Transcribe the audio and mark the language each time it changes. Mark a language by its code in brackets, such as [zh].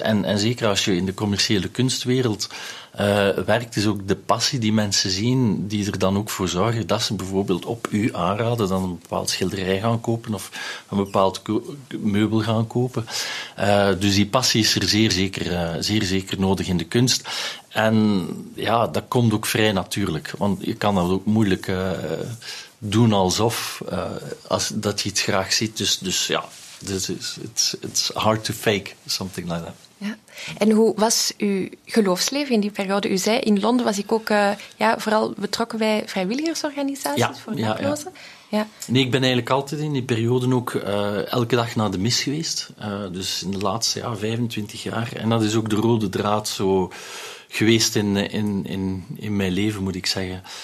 [nl] En zeker als je in de commerciële kunstwereld werkt, is ook de passie die mensen zien, die er dan ook voor zorgen dat ze bijvoorbeeld op u aanraden dan een bepaald schilderij gaan kopen of een bepaald meubel gaan kopen. Dus die passie is er zeer zeker nodig in de kunst. En ja, dat komt ook vrij natuurlijk, want je kan dat ook moeilijk doen alsof dat je iets graag ziet. Dus ja, [en] it's hard to fake, something like that. [nl] Ja. En hoe was uw geloofsleven in die periode? U zei, in Londen was ik ook vooral betrokken bij vrijwilligersorganisaties voor daklozen. Ja. Nee, ik ben eigenlijk altijd in die periode ook elke dag naar de mis geweest. Dus in de laatste 25 jaar. En dat is ook de rode draad zo geweest in mijn leven, moet ik zeggen.